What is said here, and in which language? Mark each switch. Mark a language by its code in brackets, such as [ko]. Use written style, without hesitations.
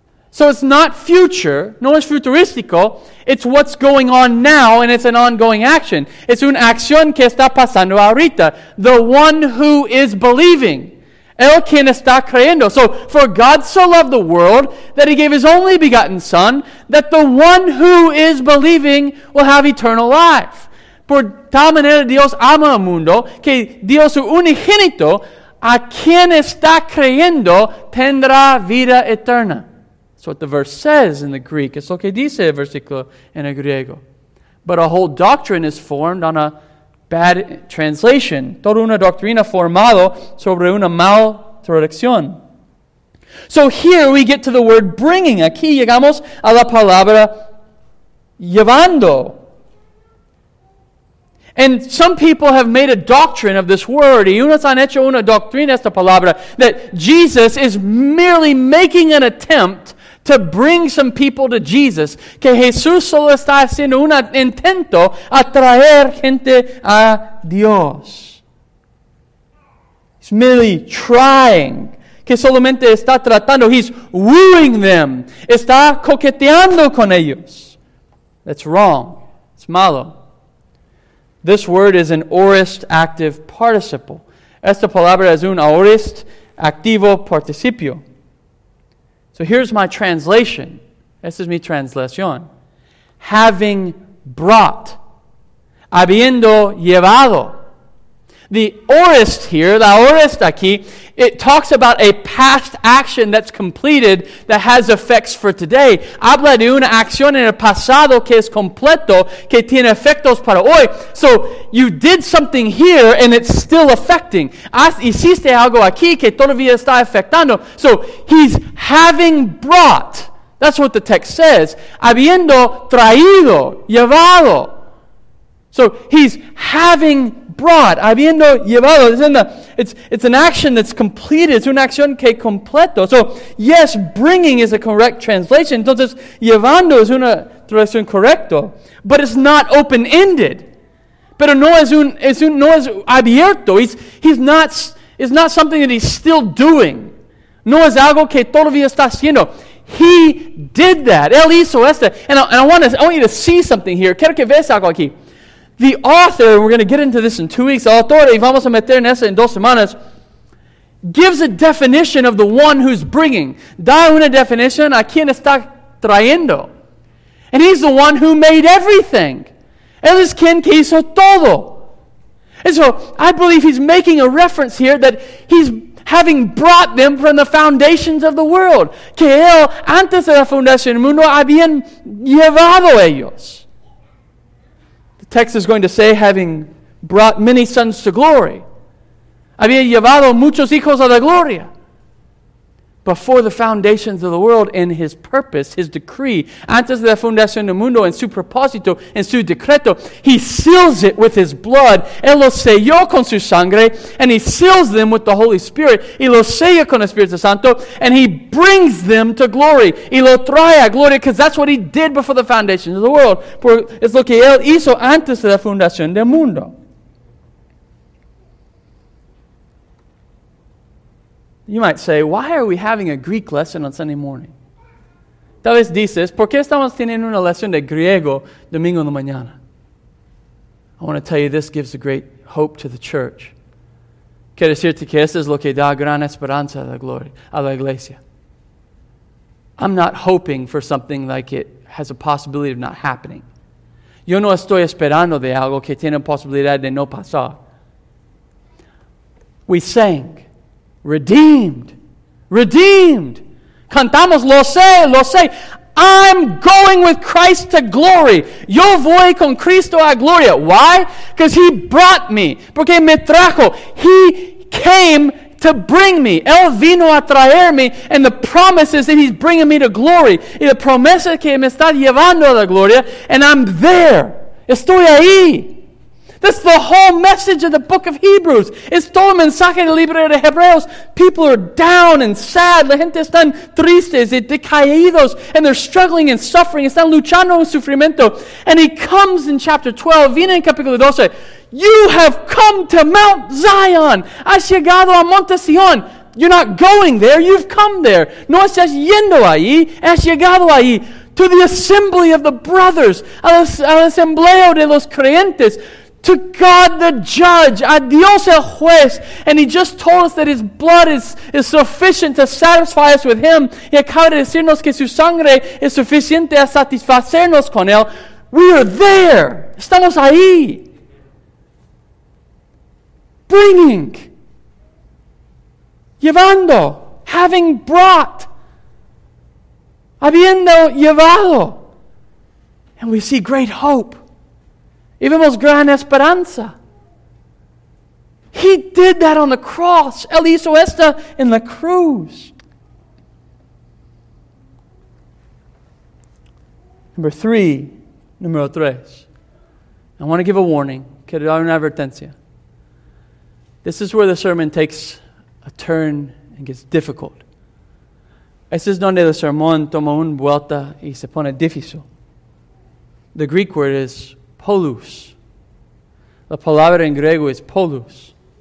[en] So it's not future, [es] no es futurístico. [en] It's what's going on now, and it's an ongoing action. [es] It's una acción que está pasando ahorita. [en] The one who is believing. [es] El quien está creyendo. [en] So, for God so loved the world that he gave his only begotten Son, that the one who is believing will have eternal life. [es] Por tal manera Dios ama al mundo, que Dios su unigénito, a quien está creyendo, tendrá vida eterna. [en] That's what the verse says in the Greek. [es] Es lo que dice el versículo en el griego. [en] But a whole doctrine is formed on a bad translation. [es] Toda una doctrina formada sobre una mal traducción. [en] So here we get to the word bringing. [es] Aquí llegamos a la palabra llevando. [en] And some people have made a doctrine of this word. [es] Y unos han hecho una doctrina esta palabra. [en] That Jesus is merely making an attempt to bring some people to Jesus. [es] Que Jesús solo está haciendo un intento a traer gente a Dios. [en] He's merely trying. [es] Que solamente está tratando. [en] He's wooing them. [es] Está coqueteando con ellos. [en] That's wrong. It's malo. This word is an aorist active participle. [es] Esta palabra es un aorist activo participio. [en] So here's my translation. [es] Esta es mi translación. [en] Having brought. [es] Habiendo llevado. [en] The aorist here, [es] la aorist aquí, [en] it talks about a past action that's completed that has effects for today. [es] Habla de una acción en el pasado que es completo, que tiene efectos para hoy. [en] So you did something here and it's still affecting. [es] Hiciste algo aquí que todavía está afectando. [en] So he's having brought. That's what the text says. [es] Habiendo traído, llevado. [en] So he's having brought, [es] habiendo llevado. [en] It's an action that's completed. [es] Es una acción que completo. [en] So, yes, bringing is a correct translation. [es] Entonces, llevando es una traducción correcta. [en] But it's not open-ended. [es] Pero no es un, no es abierto. [en] It's not something that he's still doing. [es] No es algo que todavía está haciendo. [en] He did that. [es] Él hizo esto. [en] And I want you to see something here. [es] Quiero que veas algo aquí. [en] The author, we're going to get into this in 2 weeks, [es] autor, y vamos a meter en esa en dos semanas, [en] gives a definition of the one who's bringing. [es] Da una definición a quien está trayendo. [en] And he's the one who made everything. [es] Él es quien que hizo todo. [en] And so, I believe he's making a reference here that he's having brought them from the foundations of the world. [es] Que él, antes de la fundación del mundo, habían llevado ellos. [en] The text is going to say, having brought many sons to glory. [es] Había llevado muchos hijos a la gloria. [en] Before the foundations of the world, in his purpose, his decree, [es] antes de la fundación del mundo, en su propósito, en su decreto, [en] he seals it with his blood. [es] Él los selló con su sangre, [en] and he seals them with the Holy Spirit. [es] Y los sella con el Espíritu Santo, [en] and he brings them to glory. [es] Y lo trae a gloria, [en] because that's what he did before the foundations of the world. [es] Es lo que él hizo antes de la fundación del mundo. [en] You might say, why are we having a Greek lesson on Sunday morning? [es] Tal vez dices, ¿por qué estamos teniendo una lección de griego domingo en la mañana? [en] I want to tell you, this gives a great hope to the church. [es] Quiero decirte que esto es lo que da gran esperanza a la gloria, a la iglesia. [en] I'm not hoping for something like it has a possibility of not happening. [es] Yo no estoy esperando de algo que tiene posibilidad de no pasar. [en] We sang. Redeemed. Redeemed. [es] Cantamos, lo sé, lo sé. [en] I'm going with Christ to glory. [es] Yo voy con Cristo a gloria. [en] Why? Because he brought me. [es] Porque me trajo. [en] He came to bring me. [es] Él vino a traerme. [en] And the promise is that he's bringing me to glory. [es] Y la promesa es que me está llevando a la gloria. [en] And I'm there. [es] Estoy ahí. [en] That's the whole message of the book of Hebrews. [es] It's todo el mensaje del libro de Hebreos. [en] People are down and sad. [es] La gente están tristes y decaídos. [en] And they're struggling and suffering. [es] Están luchando en sufrimiento. [en] And he comes in chapter 12. [es] Viene en capítulo 12. [en] You have come to Mount Zion. [es] Has llegado a Monte Sion. [en] You're not going there. You've come there. [es] No estás yendo allí. Has llegado allí. [en] To the assembly of the brothers. [es] Al asambleo de los creyentes. [en] To God the judge, [es] a Dios el juez, [en] and he just told us that his blood is sufficient to satisfy us with him. [es] Y acaba de decirnos que su sangre es suficiente a satisfacernos con él. [en] We are there. [es] Estamos ahí. [en] Bringing. Llevando. Having brought. [es] Habiendo llevado. [en] And we see great hope. [es] Y vemos gran esperanza. [en] He did that on the cross. [es] Él hizo esto en la cruz. Número tres. [en] I want to give a warning. [es] Quiero dar una advertencia. [en] This is where the sermon takes a turn and gets difficult. [es] Este es donde el sermón toma una vuelta y se pone difícil. [en] The Greek word is polus. [es] La palabra en griego es polus.